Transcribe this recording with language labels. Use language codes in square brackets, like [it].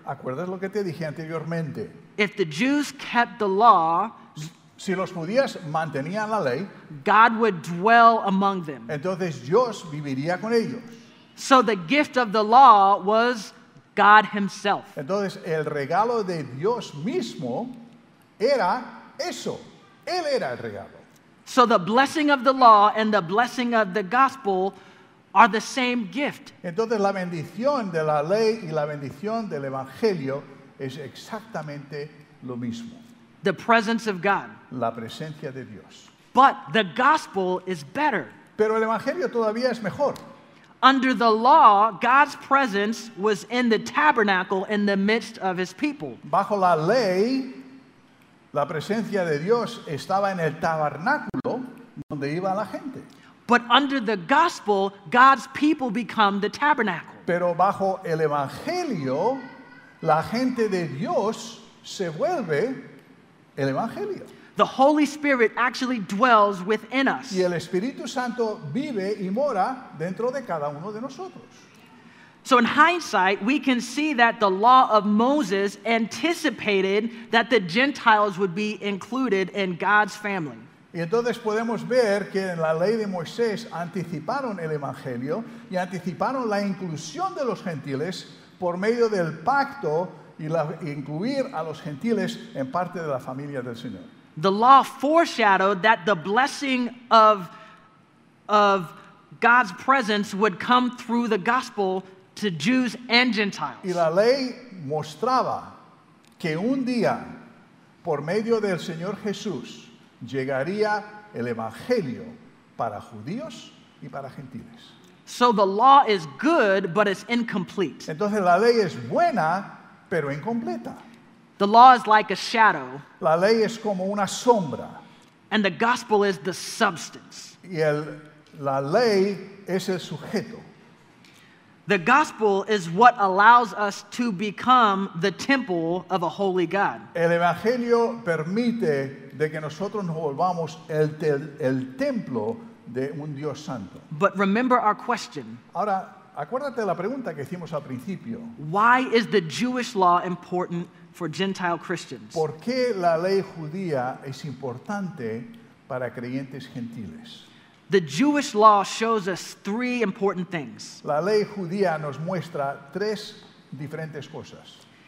[es] ¿Acuerdas lo que te dije anteriormente? [en] If the Jews kept the law, [es] si los judíos mantenían la ley, [en] God would dwell among them. [es] Entonces Dios viviría con ellos. [en] So the gift of the law was God himself. [es] Entonces el regalo de Dios mismo era eso, él era el regalo. [en] So the blessing of the law and the blessing of the gospel are the same gift. [es] Entonces la bendición de la ley y la bendición del evangelio es exactamente lo mismo. [en] The presence of God. [es] La presencia de Dios. [en] But the gospel is better. [es] Pero el evangelio todavía es mejor. [en] Under the law, God's presence was in the tabernacle in the midst of his people. [es] Bajo la ley, la presencia de Dios estaba en el tabernáculo donde iba la gente. [en] But under the gospel, God's people become the tabernacle. [es] Pero bajo el evangelio, la gente de Dios se vuelve el evangelio. [en] The Holy Spirit actually dwells within us. [es] Y el Espíritu Santo vive y mora dentro de cada uno de nosotros. [en] So in hindsight, we can see that the law of Moses anticipated that the Gentiles would be included in God's family. [es] Y entonces podemos ver que en la ley de Moisés anticiparon el evangelio y anticiparon la inclusión de los gentiles por medio del pacto y la, incluir a los gentiles en parte de la familia del Señor. [en] The law foreshadowed that the blessing of God's presence would come through the gospel to Jews and Gentiles. [es] Y la ley mostraba que un día, por medio del Señor Jesús, llegaría el evangelio para judíos y para gentiles. [en] So the law is good, but it's incomplete. [es] Entonces la ley es buena, pero incompleta. [en] The law is like a shadow. [es] La ley es como una sombra. [en] And the gospel is the substance. [es] Y la ley es el sujeto. [en] The gospel is what allows us to become the temple of a holy God. [es] El evangelio permite de que nosotros nos volvamos el templo de un Dios santo. [en] But remember our question. [es] Ahora, acuérdate la pregunta que hicimos al principio. [en] Why is the Jewish law important for Gentile Christians? [es] ¿Por qué la ley judía es importante para creyentes gentiles? [en] The Jewish law shows us three important things. [es] La ley judía nos muestra tres diferentes cosas.